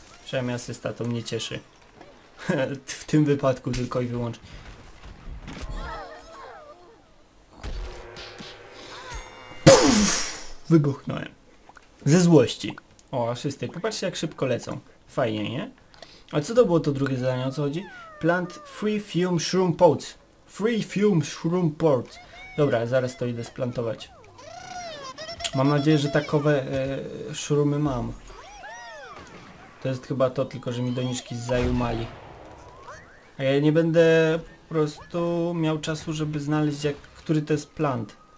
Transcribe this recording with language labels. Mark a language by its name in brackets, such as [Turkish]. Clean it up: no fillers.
[Polish] Przynajmniej asysta, to mnie cieszy. W tym wypadku tylko i wyłącznie. Wybuchnąłem. Ze złości. O, asysty. Popatrzcie, jak szybko lecą. Fajnie, nie? A co to było to drugie zadanie? O co chodzi? [English] Plant free fume shroom pots. Free fume shroom pots. [Polish] Dobra, zaraz to idę splantować. Mam nadzieję, że takowe shroomy mam. To jest chyba to, tylko że mi doniczki zajumali. A ja nie będę po prostu miał czasu, żeby znaleźć, jak, który to jest plant.